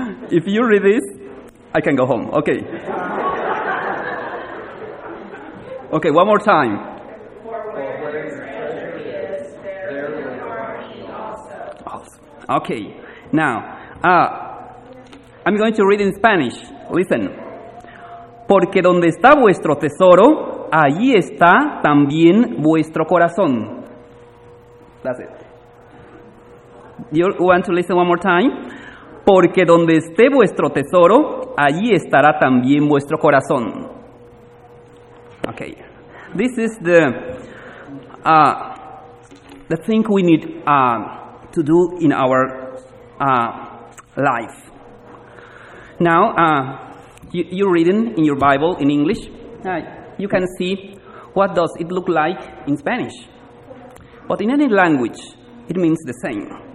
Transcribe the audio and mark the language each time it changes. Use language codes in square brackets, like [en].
[en] If you read this, I can go home. Okay. Okay, one more time. Okay, now, I'm going to read in Spanish. Listen. [es] Porque donde está vuestro tesoro, allí está también vuestro corazón. [en] That's it. You want to listen one more time? [es] Porque donde esté vuestro tesoro, allí estará también vuestro corazón. [en] Okay. This is the thing we need to do in our life. Now, you're reading in your Bible in English. You can see what does it look like in Spanish. But in any language, it means the same.